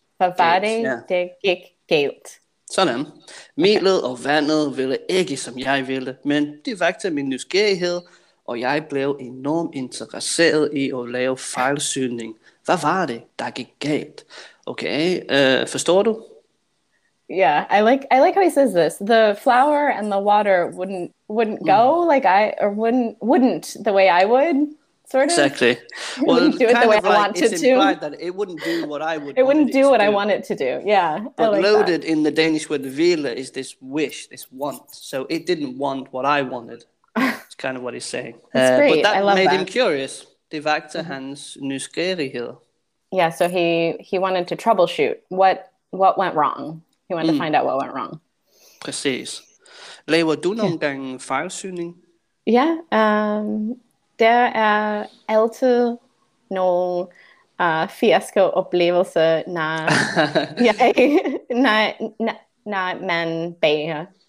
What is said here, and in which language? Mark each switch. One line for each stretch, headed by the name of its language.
Danish: Hvad var det, der gik galt? Sådan. Melet og vandet ville ikke, som jeg ville, men det vakte min nysgerrighed, og jeg blev enormt interesseret i at lave fejlsynning. Hvad var det, der gik galt? Okay, forstår du?
English: Yeah, I like how he says this. The flour and the water wouldn't go like I or wouldn't the way I would sort of. Exactly. Well, do it the way I wanted to. It wouldn't do what I would. It wouldn't do what I want it to do. Yeah. But loaded in the Danish word "ville" is this wish, this want. So it didn't want what I wanted. It's kind of what he's saying. That's great. But that made him curious.
Danish: Det vakte hans nysgerrighed.
English: Yeah. So he wanted to troubleshoot what went wrong. He wanted to find out what went wrong.
Danish: Præcis. Laver du nogle gange fejlsynning? Ja, der er altid nogle fiaskooplevelser, når man bager.